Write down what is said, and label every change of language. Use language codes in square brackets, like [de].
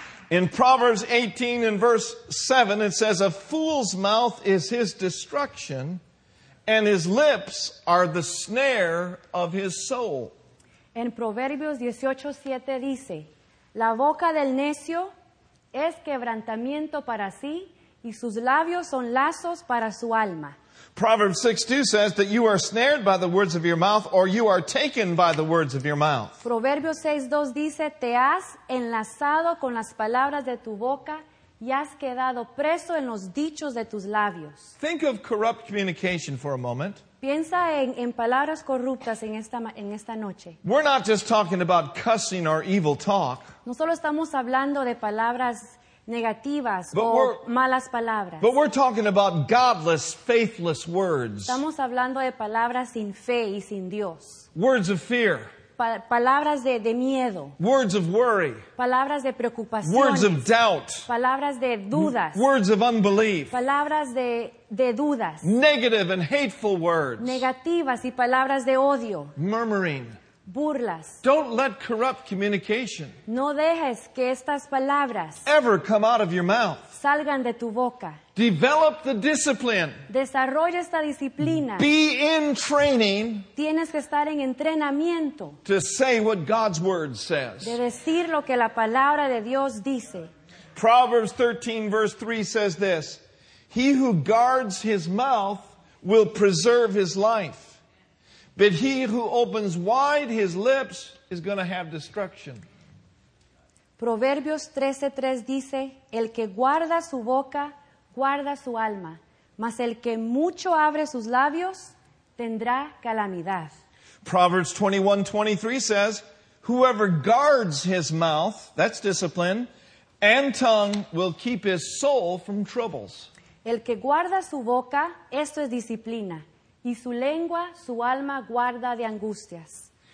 [en] In Proverbs 18 and verse 7 it says, a fool's mouth is his destruction, and his lips are the snare of his soul. [es] En Proverbios 18:7 dice, la boca del necio es quebrantamiento para sí, y sus labios son lazos para su alma. [en] Proverbs 6:2 says that you are snared by the words of your mouth, or you are taken by the words of your mouth. [es] Proverbios 6:2 dice, te has enlazado con las palabras de tu boca, y has quedado preso en los dichos de tus labios. [en] Think of corrupt communication for a moment. [es] Piensa en palabras corruptas en esta noche. [en] We're not just talking about cussing or evil talk. [es] No solo estamos hablando de palabras negativas o malas palabras. [en] But we're talking about godless, faithless words. [es] Estamos hablando de palabras sin fe y sin Dios. [en] Words of fear. [es] Palabras de miedo. [en] Words of worry. [es] Palabras de preocupaciones. [en] Words of doubt. [es] Palabras de dudas. [en] Words of unbelief. [es] Palabras de dudas. [en] Negative and hateful words. [es] Negativas y palabras de odio. [en] Murmuring. [es] Burlas. [en] Don't let corrupt communication. [es] No dejes que estas palabras [en] ever come out of your mouth. [es] Salgan de tu boca. [en] Develop the discipline. [es] Desarrolla esta disciplina. [en] Be in training. [es] Tienes que estar en entrenamiento. [en] To say what God's word says. [es] De decir lo que la palabra de Dios dice. [en] Proverbs 13 verse 3 says this. He who guards his mouth will preserve his life. But he who opens wide his lips is going to have destruction. [es] Proverbios 13:3 dice, el que guarda su boca, guarda su alma, mas el que mucho abre sus labios, tendrá calamidad. [en] Proverbs 21:23 says, whoever guards his mouth, that's discipline, and tongue will keep his soul from troubles. [es] El que guarda su boca, esto es disciplina, y su lengua, su alma guarda de angustias.